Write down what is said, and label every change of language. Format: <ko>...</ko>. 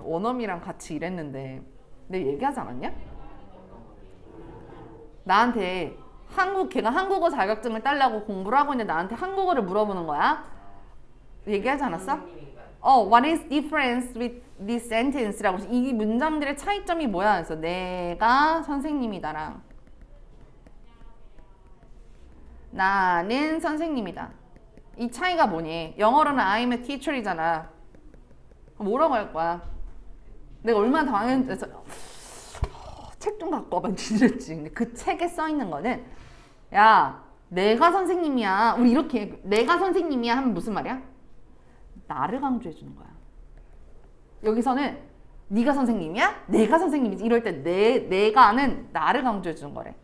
<ko>원어미랑 같이 일했는데 내가 얘기하지 않았냐? 나한테 한국, 걔가 한국어 자격증을 따려고 공부를 하고 있는데 나한테 한국어를 물어보는 거야? 얘기하지 않았어?</ko> <en>어, what is difference with this sentence?</en> <ko>라고. 이 문장들의 차이점이 뭐야? 그래서 내가 선생님이다랑 나는 선생님이다. 이 차이가 뭐니? 영어로는</ko> <en>I'm a teacher</en> <ko>이잖아. 뭐라고 할 거야? 내가 얼마나 당황했는지. 책 좀 갖고 와봐. 지렸지. 근데 그 책에 써 있는 거는 야, 내가 선생님이야. 우리 이렇게 내가 선생님이야 하면 무슨 말이야? 나를 강조해 주는 거야. 여기서는 네가 선생님이야? 내가 선생님이지. 이럴 때 내가는 나를 강조해 주는 거래.</ko>